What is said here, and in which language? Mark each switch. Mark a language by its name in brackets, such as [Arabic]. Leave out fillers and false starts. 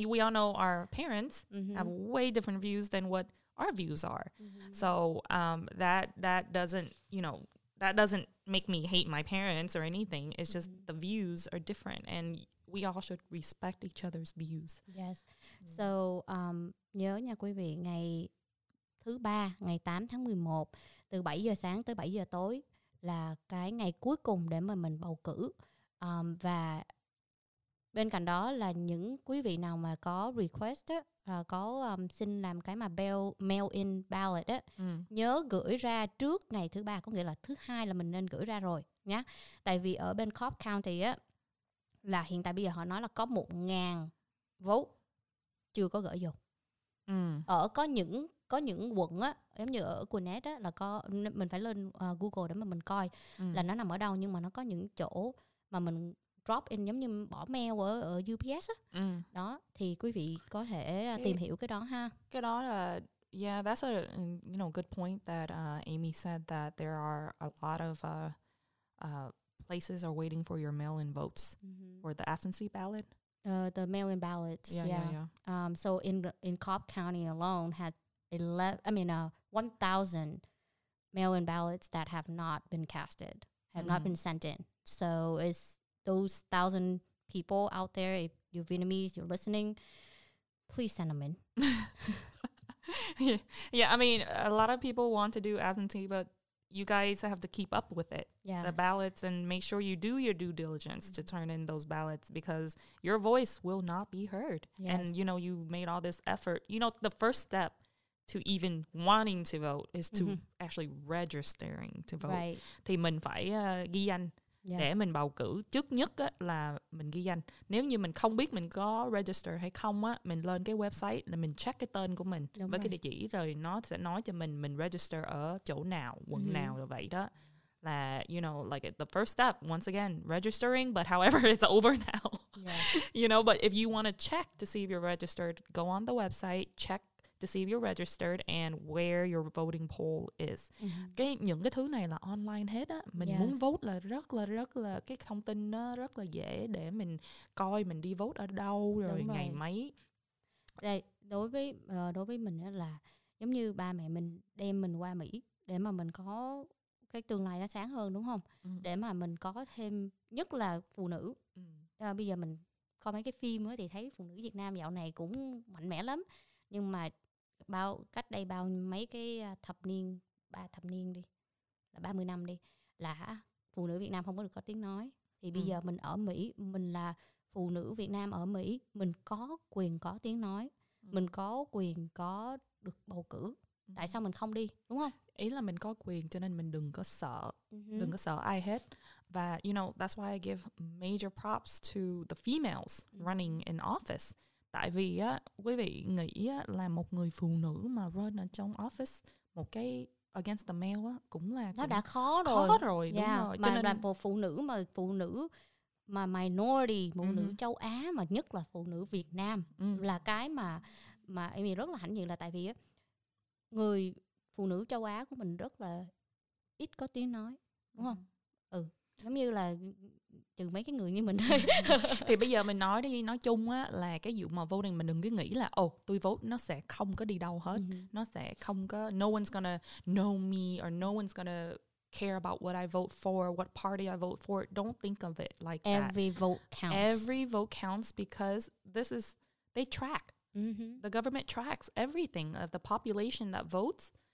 [English] We all know our parents mm-hmm. have way different views than what our views are. Mm-hmm. So that doesn't, you know, that doesn't make me hate my parents or anything. It's mm-hmm. just the views are different and we all should respect each other's views. Yes. Mm-hmm. [Vietnamese] So nhớ nha quý vị, ngày thứ ba, ngày 8 tháng 11, từ 7 giờ sáng tới 7 giờ tối là cái ngày cuối cùng để mà mình bầu cử. Và bên cạnh đó là những quý vị nào mà có request á, có xin làm cái mà mail-in ballot á, nhớ gửi ra trước ngày thứ ba, có nghĩa là thứ hai là mình nên gửi ra rồi nhá. Tại vì ở bên Cobb County á, là hiện tại bây giờ họ nói là có 1,000 vote chưa có gửi vô. Ở có những quận á, giống như ở Gwinnett á, là có, mình phải lên Google để mà mình coi là nó nằm ở đâu, nhưng mà nó có những chỗ mà mình drop in giống như bỏ mail ở UPS á. Đó thì quý vị có thể tìm hiểu cái đó ha. Cái đó là [English] yeah, that's a, you know, good point that Amy said that there are a lot of places are waiting for your mail in votes for the absentee ballot. The mail in ballots. Yeah. So in Cobb County alone had 1,000 mail in ballots that have not been casted, have not been sent in. So it's those 1,000 people out there, if you're Vietnamese, you're listening, please send them in. Yeah, I mean, a lot of people want to do absentee, but you guys have to keep up with it. Yeah. The ballots, and make sure you do your due diligence to turn in those ballots, because your voice will not be heard. Yes. And, you know, you made all this effort. You know, the first step to even wanting to vote is to actually registering to vote. Right. [Vietnamese] Thì mình phải ghi danh. Yes. Để mình bầu cử, trước nhất á, là mình ghi danh. Nếu như mình không biết mình có register hay không á, mình lên cái website là mình check cái tên của mình đúng với rồi. Cái địa chỉ, rồi nó sẽ nói cho mình register ở chỗ nào, quận nào, rồi vậy đó. [English] Là, you know, like the first step, once again, registering, but however, it's over now. Yeah. You know, but if you want to check to see if you're registered, go on the website, check to see if you're registered and where your voting poll is. [Vietnamese] Những cái thứ này là online hết á. Mình muốn vote là rất là cái thông tin nó rất là dễ để mình coi mình đi vote ở đâu rồi ngày mấy. Đây, đối với mình á, là giống như ba mẹ mình đem mình qua Mỹ để mà mình có cái tương lai nó sáng hơn đúng không? Để mà mình có thêm, nhất là phụ nữ. Bây giờ mình coi mấy cái phim á thì thấy phụ nữ Việt Nam dạo này cũng mạnh mẽ lắm. Nhưng mà cách đây bao mấy cái thập niên, ba thập niên đi, là 30 năm đi, là phụ nữ Việt Nam không có được có tiếng nói. Thì bây giờ mình ở Mỹ, mình là phụ nữ Việt Nam ở Mỹ, mình có quyền có tiếng nói, mình có quyền có được bầu cử. Tại sao mình không đi, đúng không? Ý là mình có quyền cho nên mình đừng có sợ, đừng có sợ ai hết. Và, [English] you know, that's why I give major props to the females running in office. [Vietnamese] Tại vì á, quý vị nghĩ á, là một người phụ nữ mà run ở trong office một cái [English] against the male [Vietnamese] á, cũng là nó đã khó rồi. Khó rồi, đúng rồi. Mà cho nên là một phụ nữ mà minority, phụ nữ châu Á, mà nhất là phụ nữ Việt Nam là cái mà em rất là hãnh diện, là tại vì á, người phụ nữ châu Á của mình rất là ít có tiếng nói, đúng không? Giống như là trừ mấy cái người như mình thôi. Thì bây giờ mình nói đi, nói chung á, là cái vụ mà voting, mình đừng cứ nghĩ là ồ, tôi vote nó sẽ không có đi đâu hết. Nó sẽ không có, [English] no one's gonna know me or no one's gonna care about what I vote for, what party I vote for. Don't think of it like every that. Every vote counts. Every vote counts because this is, they track. The government tracks everything of the population that votes.